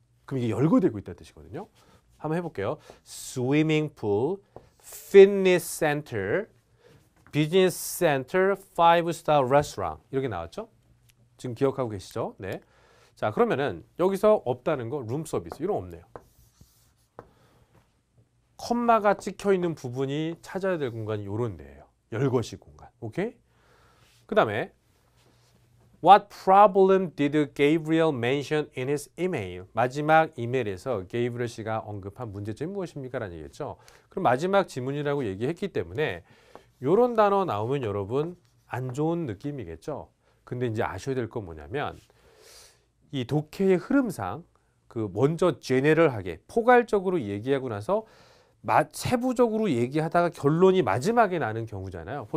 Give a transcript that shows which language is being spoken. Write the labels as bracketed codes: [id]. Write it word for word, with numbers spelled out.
[ko] 그럼 이게 열거되고 있다는 뜻이거든요. 한번 해볼게요. 스위밍풀, 피트니스 센터, 비즈니스 센터, 파이브 스타 레스토랑 이렇게 나왔죠? 지금 기억하고 계시죠? 네. 자, 그러면은 여기서 없다는 거 룸 서비스 이런 거 없네요. 콤마가 찍혀 있는 부분이 찾아야 될 공간이 요런 데예요. 열거식 공간. 오케이? [en] 그다음에 What problem did Gabriel mention in his email? [ko] 마지막 이메일에서 게이브리엘 씨가 언급한 문제점이 무엇입니까? 라는 얘기겠죠. 그럼 마지막 지문이라고 얘기했기 때문에 요런 단어 나오면 여러분 안 좋은 느낌이겠죠. 근데 이제 아셔야 될 건 뭐냐면 이 독해의 흐름상 그 먼저 제네럴하게 포괄적으로 얘기하고 나서 마, 세부적으로 얘기하다가 결론이 마지막에 나는 경우잖아요.